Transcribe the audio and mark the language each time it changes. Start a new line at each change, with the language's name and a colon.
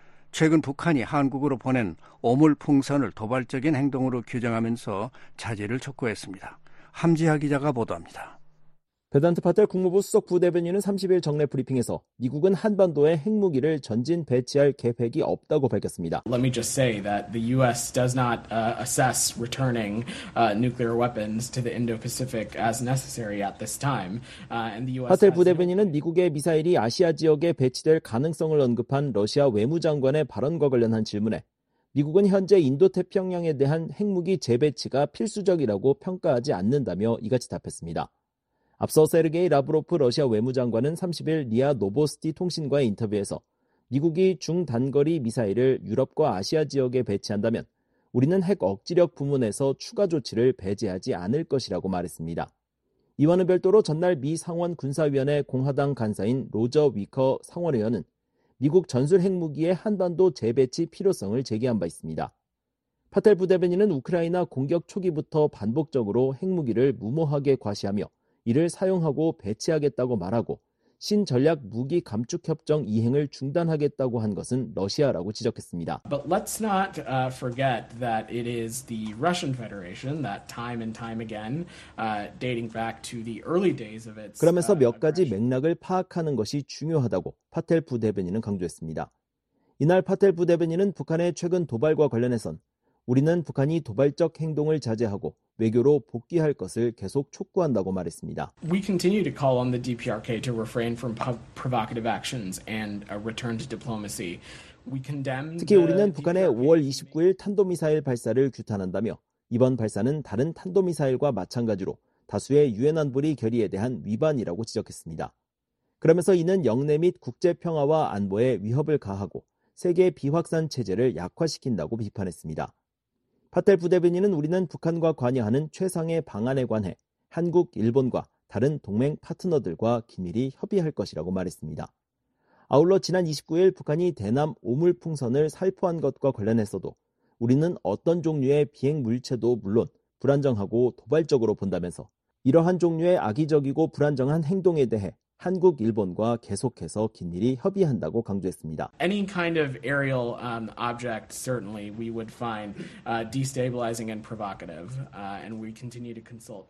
Korean: 최근 북한이 한국으로 보낸 오물풍선을 도발적인 행동으로 규정하면서 자제를 촉구했습니다. 함지하 기자가 보도합니다. 베단트 파텔 국무부 수석 부대변인은 30일 정례 브리핑에서 미국은 한반도에 핵무기를 전진 배치할 계획이 없다고 밝혔습니다.
English: Let me just say that the U.S. does not assess returning nuclear weapons to the Indo-Pacific as necessary at this time. And the U.S.
Korean: 파텔 부대변인은 미국의 미사일이 아시아 지역에 배치될 가능성을 언급한 러시아 외무장관의 발언과 관련한 질문에 미국은 현재 인도태평양에 대한 핵무기 재배치가 필수적이라고 평가하지 않는다며 이같이 답했습니다. 앞서 세르게이 라브로프 러시아 외무장관은 30일 리아 노보스티 통신과의 인터뷰에서 미국이 중단거리 미사일을 유럽과 아시아 지역에 배치한다면 우리는 핵 억지력 부문에서 추가 조치를 배제하지 않을 것이라고 말했습니다. 이와는 별도로 전날 미 상원 군사위원회 공화당 간사인 로저 위커 상원의원은 미국 전술 핵무기의 한반도 재배치 필요성을 제기한 바 있습니다. 파텔 부대변인은 우크라이나 공격 초기부터 반복적으로 핵무기를 무모하게 과시하며 이를 사용하고 배치하겠다고 말하고 신전략 무기 감축 협정 이행을 중단하겠다고 한 것은 러시아라고 지적했습니다.
English: But let's not forget that it is the Russian Federation that time and time again dating back to the early days of its
Korean: 그러면서 몇 가지 맥락을 파악하는 것이 중요하다고 파텔 부대변인은 강조했습니다. 이날 파텔 부대변인은 북한의 최근 도발과 관련해선 우리는 북한이 도발적 행동을 자제하고 외교로 복귀할 것을 계속 촉구한다고 말했습니다.
English: We continue to call on the DPRK to refrain from provocative actions and return to diplomacy. We condemn
Korean: 특히 우리는 북한의 5월 29일 탄도미사일 발사를 규탄한다며 이번 발사는 다른 탄도미사일과 마찬가지로 다수의 유엔 안보리 결의에 대한 위반이라고 지적했습니다. 그러면서 이는 영내 및 국제 평화와 안보에 위협을 가하고 세계 비확산 체제를 약화시킨다고 비판했습니다. 파텔 부대변인은 우리는 북한과 관여하는 최상의 방안에 관해 한국, 일본과 다른 동맹 파트너들과 긴밀히 협의할 것이라고 말했습니다. 아울러 지난 29일 북한이 대남 오물풍선을 살포한 것과 관련해서도 우리는 어떤 종류의 비행 물체도 물론 불안정하고 도발적으로 본다면서 이러한 종류의 악의적이고 불안정한 행동에 대해 한국 일본과 계속해서 긴밀히 협의한다고 강조했습니다.
English: Any kind of aerial object certainly we would find destabilizing and provocative and we continue to consult.